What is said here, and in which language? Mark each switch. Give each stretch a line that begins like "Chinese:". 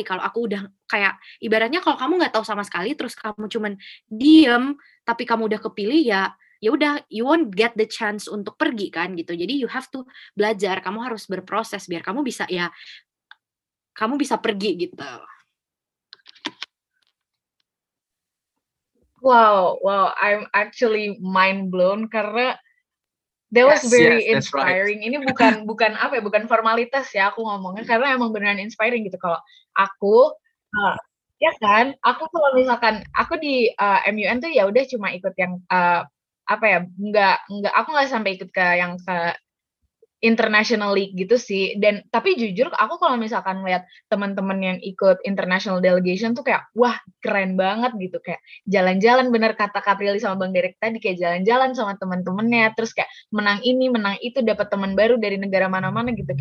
Indonesian: Kalau aku udah kayak ibaratnya, kalau kamu nggak tahu sama sekali terus kamu cuman diem tapi kamu udah kepilih, ya udah
English: you won't get the chance
Indonesian: untuk pergi kan gitu. Jadi
English: you have to
Indonesian: belajar, kamu harus berproses biar kamu bisa, ya kamu bisa pergi gitu.
English: Wow, I'm actually mind blown karena that was very inspiring.
Indonesian: Right. Ini bukan apa ya, bukan formalitas ya aku ngomongnya, karena emang beneran inspiring gitu. Kalau aku ya kan, aku kalau misalkan aku di MUN tuh ya udah cuma ikut yang aku nggak sampai ikut ke yang ke international league gitu sih. Dan tapi jujur aku kalau misalkan lihat teman-teman yang ikut international delegation tuh kayak wah keren banget gitu, kayak jalan-jalan, bener kata Kaprili sama Bang Derek tadi, kayak jalan-jalan sama teman-temannya, terus kayak menang ini menang itu, dapat teman baru dari negara mana-mana gitu.